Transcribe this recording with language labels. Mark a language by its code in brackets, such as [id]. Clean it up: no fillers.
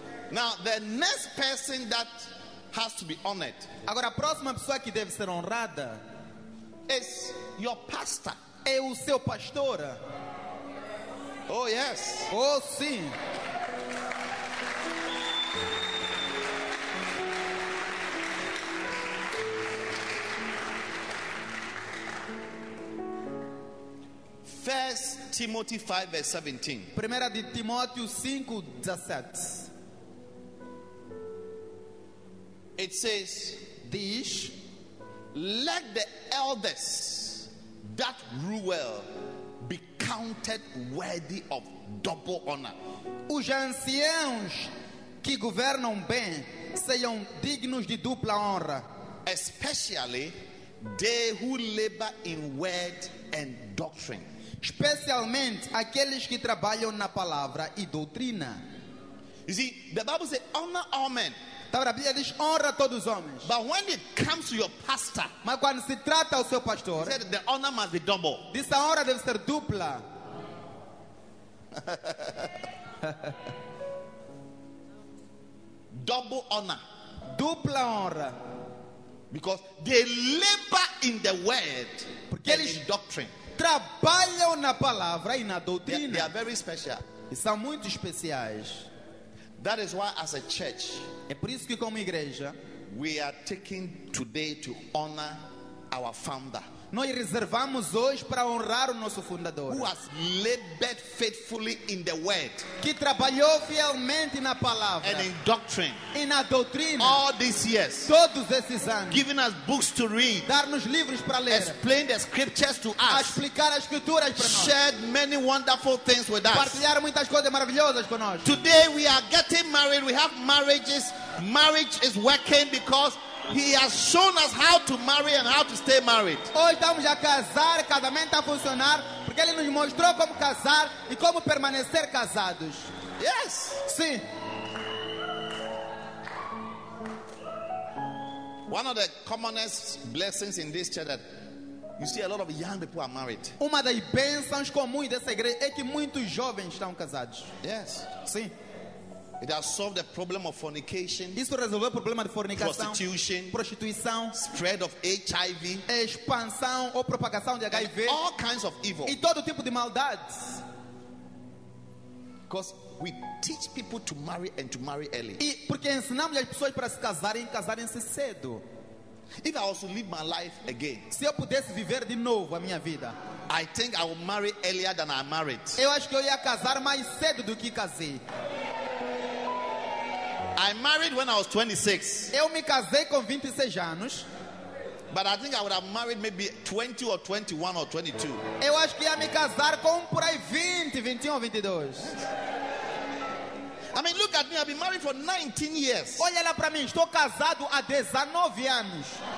[en] Now the next person that has to be honored. [pt] Agora a próxima pessoa que deve ser honrada [en] is your pastor. [pt] É o seu pastor. [en] Oh yes. [pt] Oh sim. [en] First Timothy 5 verse 17. [pt] Primeira de Timóteo 5:17. [en] It says, "This, let the elders that rule well be counted worthy of double honor." [pt] Os anciãos que governam bem sejam dignos de dupla honra. [en] Especially they who labor in word and doctrine. [pt] Especialmente aqueles que trabalham na palavra e doutrina. [en] You see, the Bible says, "Honor all men." [pt] A Bíblia diz, honra todos os homens. [en] But when it comes to your pastor, [pt] mas quando se trata ao seu pastor, [en] he said the honor must be double. [pt] Dessa honra deve ser dupla. [en] Double honor. [pt] Dupla honra. [en] Because they labor in the word. [pt] Porque [en] and [pt] eles [en] in doctrine. [pt] Trabalham na palavra e na doutrina. [en] They are very special. [pt] E são muito especiais. [en] That is why as a church, [pt] é por isso que como igreja, [en] we are taking today to honor our founder. [pt] Nós reservamos hoje para honrar o nosso fundador. [en] Who has labored faithfully in the word. [pt] Que trabalhou fielmente na palavra. [en] And in doctrine. [pt] E na doutrina. [en] All these years. [pt] Todos esses anos. [en] Giving us books to read. [pt] Dar-nos livros para ler. [en] Explain the scriptures to us. [pt] Explicar as escrituras para nós. [en] Shared many wonderful things with us. [pt] Partilhar muitas coisas maravilhosas conosco. [en] Today we are getting married. We have marriages. Marriage is working because He has shown us how to marry and how to stay married. [pt] Hoje estamos a casar, casamento a funcionar, porque ele nos mostrou como casar e como permanecer casados. [en] Yes. [pt] Sim. [en] One of the commonest blessings in this church that you see a lot of young people are married. [pt] Uma das bênçãos comuns dessa igreja é que muitos jovens estão casados. [en] Yes. [pt] Sim. [en] It has solved the problem of fornication. [pt] Isso resolveu o problema de fornicação, [en] prostitution, [pt] prostituição, [en] spread of HIV, [pt] expansão ou propagação de HIV, [en] all kinds of evil. [pt] E todo tipo de maldades. [en] Because we teach people to marry and to marry early. [pt] E porque ensinamos as pessoas para se casarem e casarem-se cedo. [en] If I was to live my life again, [pt] se eu pudesse viver de novo a minha vida, [en] I think I would marry earlier than I married. [pt] Eu acho que eu ia casar mais cedo do que casei. [en] I married when I was 26. [pt] Eu me casei com 26 anos. [en] But I think I would have married maybe 20 or 21 or 22. [pt] Eu acho que ia me casar com por aí 20, 21 ou 22. [en] I mean, look at me, I've been married for 19 years. [pt] Olha lá para mim, estou casado há 19 anos.